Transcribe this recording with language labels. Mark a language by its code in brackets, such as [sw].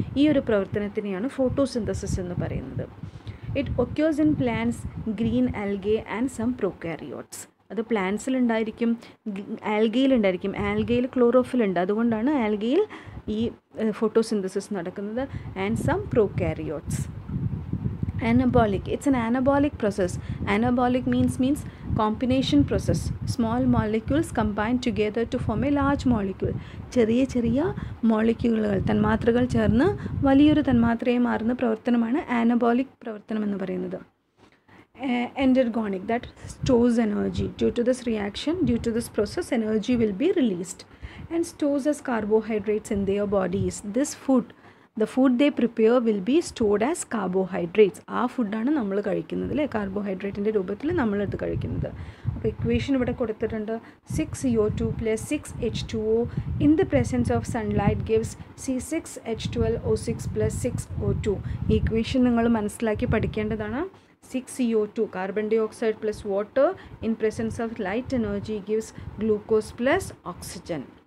[ml] ഈ ഒരു പ്രവർത്തനത്തിനെയാണ് ഫോട്ടോസിന്തസിസ് എന്ന് പറയുന്നത്. [en] It occurs in plants, green algae and some prokaryotes. [ml] അത് പ്ലാന്റ്സിലുണ്ടായിരിക്കും, ആൽഗയിലുണ്ടായിരിക്കും. ആൽഗയിൽ ക്ലോറോഫിൽ ഉണ്ട്, അതുകൊണ്ടാണ് ആൽഗയിൽ ഈ ഫോട്ടോസിന്തസിസ് നടക്കുന്നത്. [en] And some prokaryotes. Anabolic, it's an anabolic process. Anabolic means combination process. Small molecules combine together to form a large molecule. [ml] ചെറിയ ചെറിയ മോളിക്യൂളുകൾ, തന്മാത്രകൾ ചേർന്ന് വലിയൊരു തന്മാത്രയെ മാറുന്ന പ്രവർത്തനമാണ് ആനബോളിക് പ്രവർത്തനം എന്ന് പറയുന്നത്. [en] Endergonic, that stores energy. Due to this reaction, due to this process, energy will be released and stores as carbohydrates in their bodies. This food, the food they prepare will be stored as carbohydrates. [ml] ആ ഫുഡാണ് നമ്മൾ കഴിക്കുന്നത് അല്ലേ, കാർബോഹൈഡ്രേറ്റിൻ്റെ രൂപത്തിൽ നമ്മളത് കഴിക്കുന്നത്. അപ്പോൾ equation ഇവിടെ കൊടുത്തിട്ടുണ്ട്, [en] 6CO2 + 6H2O in the presence of sunlight gives C6H12O6 + 6O2. [ml] ഈ ഇക്വേഷൻ നിങ്ങൾ മനസ്സിലാക്കി പഠിക്കേണ്ടതാണ്. [en] 6CO2 carbon dioxide plus water in presence of light energy gives glucose plus oxygen.